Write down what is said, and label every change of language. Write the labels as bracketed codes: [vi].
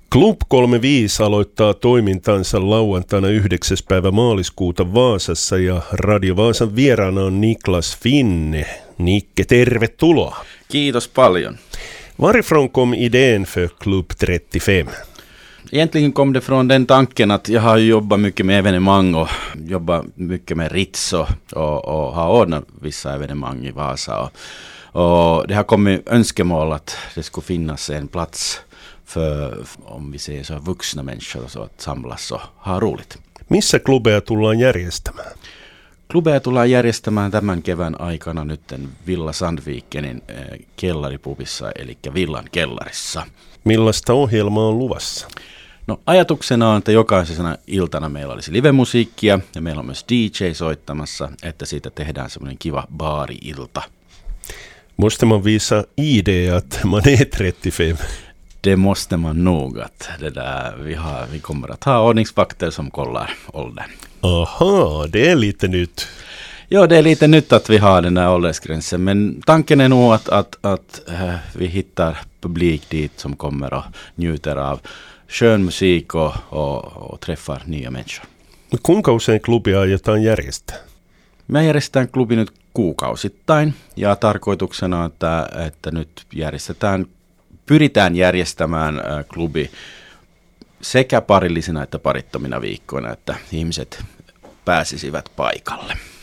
[fi] Klub 35 aloittaa toimintansa lauantaina 9. päivä maaliskuuta Vaasassa ja Radio Vaasan vieraana on Niklas Finne. Nikke, tervetuloa. Kiitos paljon. [sv] Varifrån kom idén för Klub 35? Egentligen kom det från den tanken att jag har jobbat mycket med evenemang och jobbat mycket med Ritz och har ordnat vissa evenemang i Vasa. Och det har kommit önskemål att det skulle finnas en plats för, om vi säger så, vuxna människor och så att samlas och ha roligt. [fi] Missä klubbeja tullaan järjestämään? Klubbeja tullaan järjestämään tämän kevään aikana nytten Villa Sandvikenin kellaripubissa, eli Villan kellarissa. Millaista ohjelmaa on luvassa? No, ajatuksena on, että jokaisena iltana meillä olisi livemusiikkia ja meillä on myös DJ soittamassa, että siitä tehdään semmoinen kiva baari-ilta. [sv] Måste man visa ID att man är 35? Det måste man nog att det där, vi kommer att ha ordningsvakter som kollar åldern. Aha, det är lite nytt. Ja, det är lite nytt att vi har den där åldersgränsen, men tanken är nog att vi hittar publik dit som kommer och njuter av skön musik och träffar nya människor. [fi] Kuinka usein klubia aiotaan järjestää? Me järjestetään klubi nyt kuukausittain ja tarkoituksena on, että nyt järjestetään, pyritään järjestämään klubi sekä parillisina että parittomina viikkoina, että ihmiset pääsisivät paikalle.